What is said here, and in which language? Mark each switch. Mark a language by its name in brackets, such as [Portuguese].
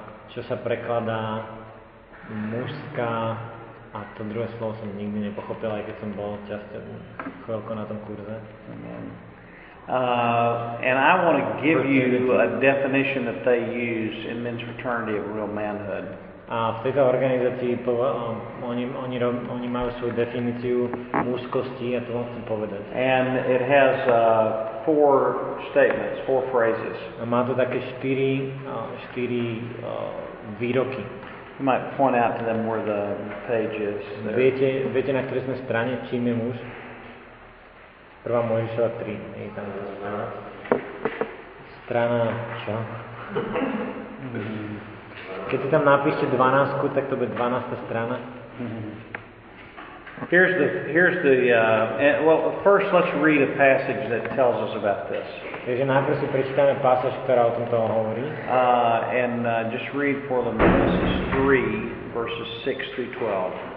[Slovak] Čo sa prekladá mužská, a to druhé slovo som nikdy nepochopil, aj keď som bol časte chvíľko na tom kurze. [English] And I want to give you a definition that they use in Men's Fraternity of real manhood. [Slovak] A v tejto organizácii oni majú svoju definíciu mužskosti, a to vám chcem povedať. [English] And it has four statements, four phrases. [Slovak] A má to také štyri výroky. [English] You might point out to them where the page is. [Slovak] Viete, na ktorej sme strane, čím je muž? Prvá Mojžišova 3. Je tam strana čo? Keď si tam napíšte 12, tak to bude 12. strana. Mm-hmm. [English] First let's read a passage that tells us about this. [Slovak] Takže najprv si prečítame pasáž, ktorá o tomto hovorí. [English] Just read for them Genesis 3, verses 6 through 12.